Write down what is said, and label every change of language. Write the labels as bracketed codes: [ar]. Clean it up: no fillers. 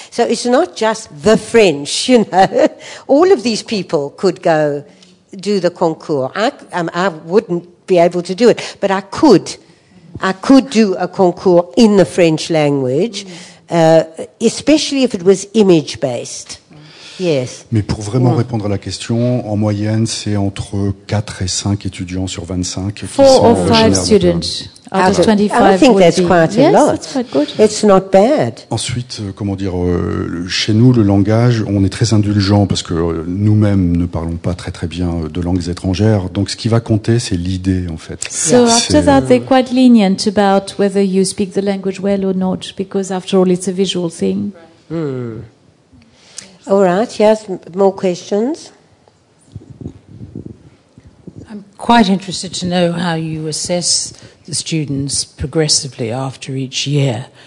[en] So it's not just the French, you know. All of these people could go do the concours. I wouldn't be able to do it, but I could. I could do a concours in the French language, especially if it was image-based. Yes. [fr] Mais pour vraiment répondre à la question, en moyenne, c'est entre 4 et 5 étudiants sur 25 [en] 4 or 5 students out of 25. I think that's quite a lot. Yes, it's quite good. It's not bad. [fr] Ensuite, chez nous, le langage, on est très indulgent parce que nous-mêmes ne parlons pas très très bien de langues étrangères. Donc, ce qui va compter, c'est l'idée, en fait. [en] So after that, they're quite lenient about whether you speak the language well or not, because after all, it's a visual thing. Mm. All right, yes, more questions? I'm quite interested to know how you assess the students progressively after each year.